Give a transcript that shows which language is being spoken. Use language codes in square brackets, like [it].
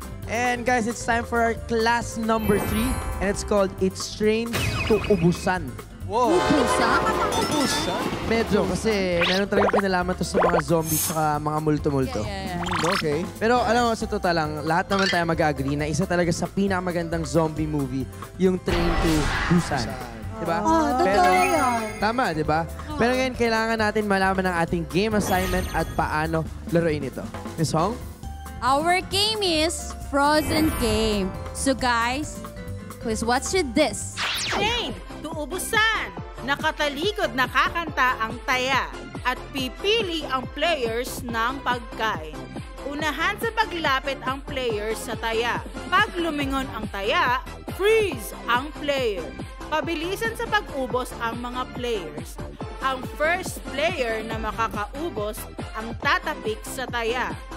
[en] And guys, it's time for our class number 3, and it's called It's Strange to Ubusan. Whoa. Ubusan? Ubusan? [tl] Medyo, kasi meron talagang pinalaman to sa mga zombies at mga multo-multo. [en] Yeah, yeah, yeah. Okay. [tl] Pero alam mo, sa totoo lang, lahat naman tayo mag-agree na isa talaga sa pinakamagandang zombie movie, yung Train to Busan. Diba? Pero, tama, diba? Pero ngayon, kailangan natin malaman ang ating game assignment at paano laruin ito. Miss Hong? [en] Our game is Frozen Game. So guys, please watch this. Train to Ubusan. [tl] Nakataligod na kakanta ang taya at pipili ang players ng pagkain. Unahan sa paglapit ang players sa taya. Pag lumingon ang taya, freeze ang player. Pabilisan sa pag-ubos ang mga players. Ang first player na makakaubos ang tatapik sa taya.